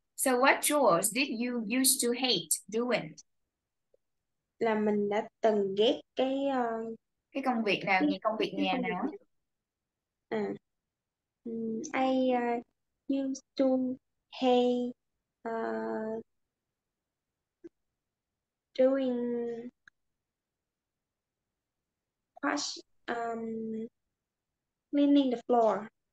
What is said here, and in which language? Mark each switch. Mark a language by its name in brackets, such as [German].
[English] So what chores did you used to hate doing? [Vietnamese] Là mình đã từng ghét cái công việc nào, cái công việc nhà nào? [English] I used to hate doing cleaning the floor.